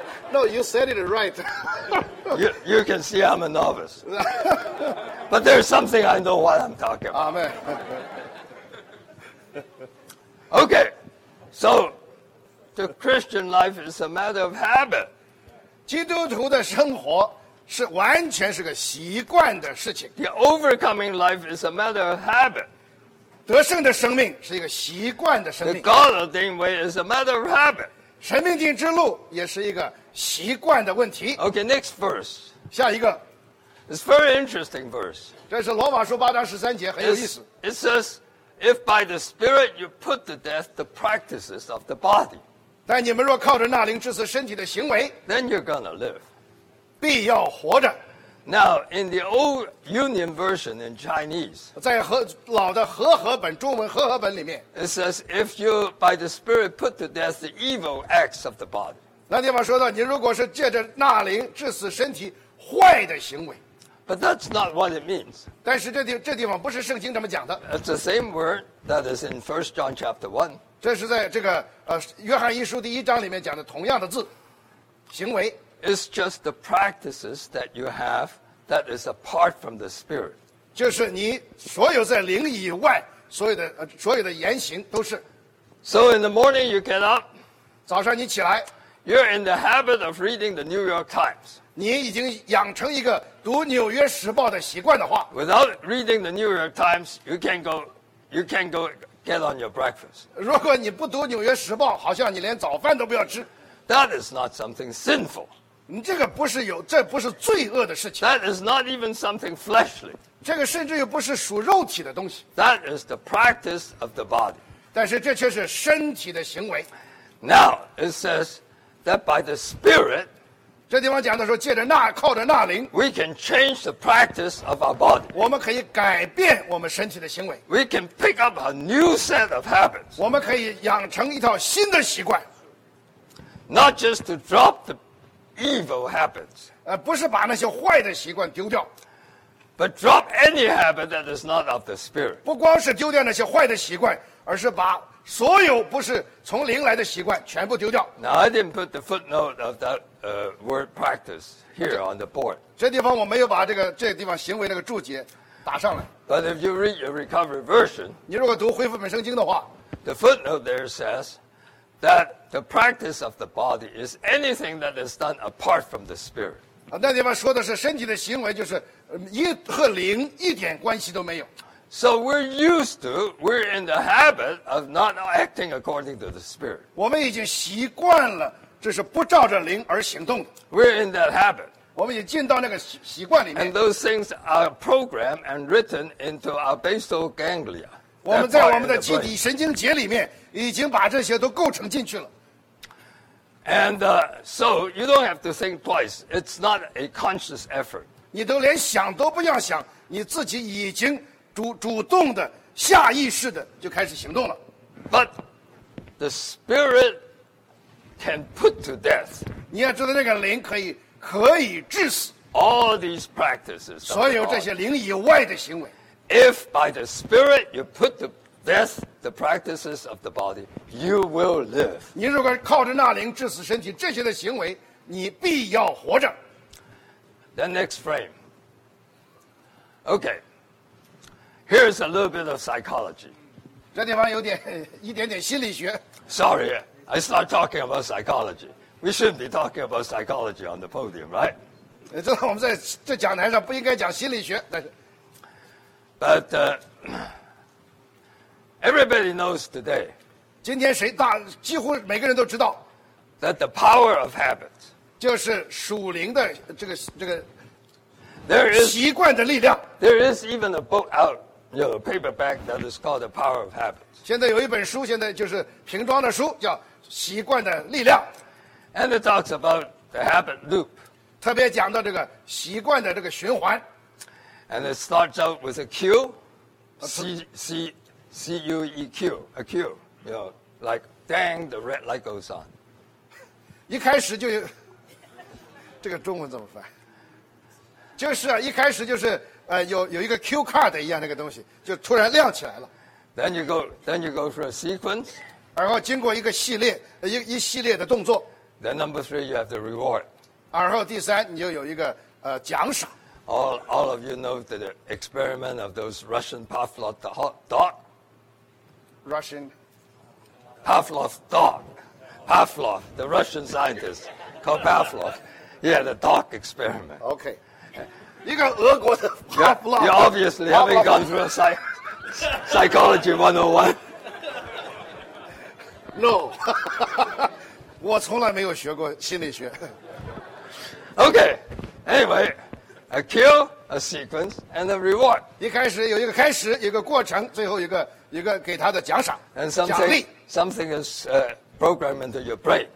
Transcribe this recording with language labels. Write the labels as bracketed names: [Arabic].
[English] No, you said it right. you can see I'm a novice. But there's something I know what I'm talking about. Amen. Okay. So, the Christian life is a matter of habit. [Chinese] 基督徒的生活是完全是个习惯的事情。 [English] The overcoming life is a matter of habit. [Chinese] 得胜的生命是一个习惯的生命。 [English] The God-ordained way is a matter of habit. [Chinese] 神命定之路也是一个习惯的问题。 [English] Okay, next verse. [Chinese] 下一个。 [English] It's a very interesting verse. [Chinese] 这是罗马书八章十三节，很有意思。 [English] It says, if by the Spirit you put to death the practices of the body, [Chinese] 但你们若靠着那灵致死身体的行为 [English] then you're gonna live. [Chinese] 必要活着。 [English] Now, in the old Union version in Chinese, [Chinese] 在老的和合本，中文和合本里面 [English] it says, if you by the Spirit put to death the evil acts of the body. [Chinese] 那地方说到，你如果是借着那灵致死身体坏的行为。 [English] But that's not what it means. [Chinese] 但是这地方不是圣经这么讲的。 [English] It's the same word that is in 1 John chapter 1. [Chinese] 这是在这个约翰一书第一章里面讲的同样的字，行为。 [English] It's just the practices that you have that is apart from the Spirit. [Chinese] 就是你所有在灵以外所有的言行都是。 [English] So in the morning you get up. [Chinese] 早上你起来。 [English] You're in the habit of reading the New York Times. [Chinese] 你已经养成一个读《纽约时报》的习惯的话。 [English] Without reading the New York Times, you can't go get on your breakfast. [Chinese] 如果你不读《纽约时报》，好像你连早饭都不要吃。 [English] That is not something sinful. [Chinese] 你这个不是有，这不是罪恶的事情。 [English] That is not even something fleshly. [Chinese] 这个甚至又不是属肉体的东西。 [English] That is the practice of the body. [Chinese] 但是这却是身体的行为。 [English] Now it says. That by the Spirit, [Chinese] 这地方讲的说，借着那靠着那灵 [English] ，we can change the practice of our body. [Chinese] 我们可以改变我们身体的行为。 [English] We can pick up a new set of habits. [Chinese] 我们可以养成一套新的习惯。 [English] Not just to drop the evil habits. [Chinese] 不是把那些坏的习惯丢掉。 [English] But drop any habit that is not of the Spirit. [Chinese] 不光是丢掉那些坏的习惯，而是把。所有不是从灵来的习惯全部丢掉。 [English] Now, I didn't put the footnote of that word practice here on the board. [Chinese] 这地方我没有把这地方行为那个注解打上来。 [English] But if you read your recovery version, [Chinese] 你如果读恢复本圣经的话 [English] the footnote there says that the practice of the body is anything that is done apart from the spirit. [Chinese] 那地方说的是身体的行为就是和灵一点关系都没有。 [English] So we're used to, we're in the habit of not acting according to the Spirit. [Chinese] 我们已经习惯了，这是不照着灵而行动。 [English] We're in that habit. [Chinese] 我们已经进到那个习惯里面。 [English] And those things are programmed and written into our basal ganglia. [Chinese] 我们在我们的基底神经节里面已经把这些都构成进去了。 [English] And so you don't have to think twice. It's not a conscious effort. [Chinese] 你都连想都不要想，你自己已经。主动的下意识的就开始行动了。 [English] But the spirit can put to death. [Chinese] 你要知道那个灵可以致死。 [English] All these practices. [Chinese] 所有这些灵以外的行为。 [English] If by the spirit you put to death the practices of the body, you will live. [Chinese] 你如果靠着那灵致死身体这些的行为你必要活着。 [English] The next frame. Okay. Here's a little bit of psychology. [Chinese] 这地方有点一点点心理学。 [English] Sorry, I start talking about psychology. We shouldn't be talking about psychology on the podium, right? [Chinese] 这我们在这讲台上不应该讲心理学，但是。 [English] But everybody knows today. [Chinese] 今天谁大几乎每个人都知道。 [English] That the power of habits. [Chinese] 就是属灵的这个。 [English] There is [Chinese] 习惯的力量。 [English] There is even a book out. [Chinese] 有 [English] paperback that is called the power of habits. [Chinese] 现在有一本书，现在就是瓶装的书，叫《习惯的力量》。 [English] And it talks about the habit loop. [Chinese] 特别讲到这个习惯的这个循环。 [English] And it starts out with a cue, C U E Q, a cue. You know, like dang, the red light goes on. [Chinese] 一开始就有这个中文怎么翻？就是一开始就是。有一个 cue card 一样那个东西，就突然亮起来了。 [English] Then you go for a sequence. [Chinese] 然后经过一个系列，一系列的动作。 [English] Then number three, you have the reward. [Chinese] 然后第三，你就有一个奖赏。 [English] All of you know the experiment of those Russian Pavlov dog. Russian Pavlov's dog. Pavlov, the Russian scientist called Pavlov. He had a dog experiment. Okay. [Chinese] 一个俄国的 Pavlov. [English] You obviously haven't gone through psychology 101. No. [Chinese] 我从来没有学过心理学。 [English] Okay. Anyway, a kill, a sequence, and a reward. [Chinese] 一开始有一个开始，一个过程，最后一个给他的奖赏。 [English] And something is programmed into your brain.